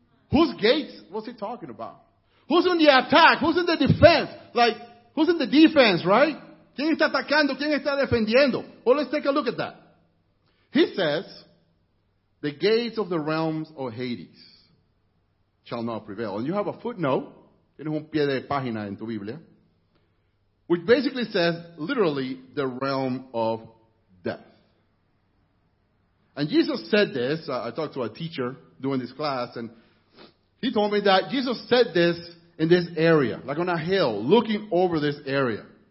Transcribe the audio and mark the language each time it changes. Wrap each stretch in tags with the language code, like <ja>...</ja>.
<en>Whose gates was he talking about? Who's in the attack? Who's in the defense? Like, who's in the defense, right?</en> <es>¿Quién está atacando? ¿Quién está defendiendo?</es> <en>Well, let's take a look at that. He says, the gates of the realms of Hades shall not prevail. And you have a footnote.</en> <es>Tienes un pie de página en tu Biblia.</es> <en>Which basically says, literally, the realm of death. And Jesus said this. I talked to a teacher during this class, and he told me that Jesus said this in this area, like on a hill, looking over this area.</en>